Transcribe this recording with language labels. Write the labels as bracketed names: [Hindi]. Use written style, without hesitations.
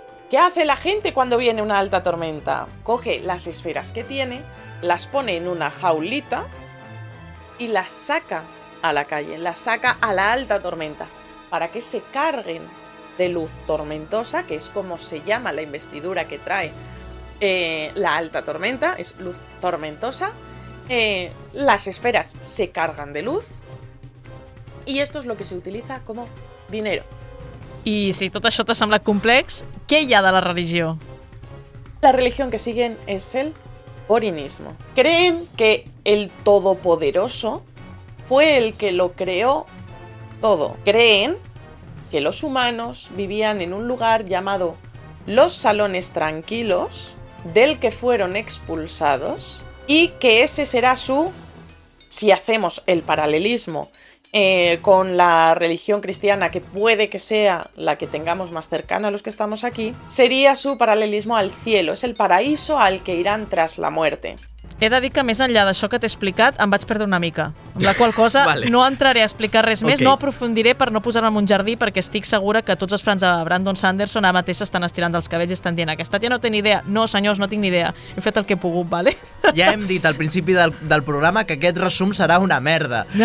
[Spanish] ¿Qué hace la gente cuando viene una alta tormenta? Coge las esferas que tiene, las pone en una jaulita y las saca a la calle, las saca a la alta tormenta para que se carguen de luz tormentosa, que es como se llama la investidura que trae la alta tormenta, es luz tormentosa. Las esferas se cargan de luz y esto es lo que se utiliza como dinero. [Catalan] I si tot això t'ha semblat complex, què hi ha de la religió? La religió que siguen és el borinismo. [Spanish] Creen que el Todopoderoso fue el que lo creó todo. Creen que los humanos vivían en un lugar llamado los Salones Tranquilos, del que fueron expulsados, y que ese será su, si hacemos el paralelismo, con la religión cristiana, que puede que sea la que tengamos más cercana a los que estamos aquí, sería su paralelismo al cielo, es el paraíso al que irán tras la muerte. [Catalan] He de dir que més enllà d'això que t'he explicat, em vaig perdre una mica. Amb la qual cosa vale. No entraré a explicar res més, okay. No aprofundiré per no posar-me en un jardí, perquè estic segura que tots els fans de Brandon Sanderson ara mateix estan estirant dels cabells i estan dient aquesta tia no té ni idea. No, senyors, no tinc ni idea. He fet el que he pogut, vale? Ja hem dit al principi del programa que aquest resum serà una merda.